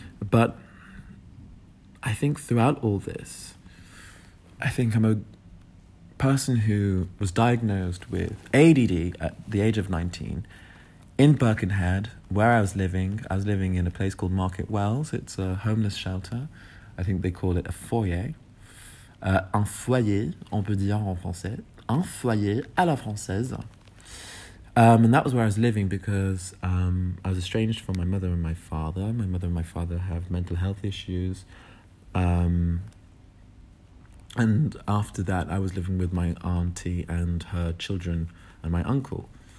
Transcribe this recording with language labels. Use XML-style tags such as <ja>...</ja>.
<en>But I think throughout all this, I think I'm a person who was diagnosed with ADD at the age of 19 in Birkenhead, where I was living. I was living in a place called Market Wells. It's a homeless shelter. I think they call it a foyer.</en> <fr>Un foyer, on peut dire en français. Un foyer à la française.</fr> <en>And that was where I was living because I was estranged from my mother and my father. My mother and my father have mental health issues. And after that, I was living with my auntie and her children and my uncle.</en>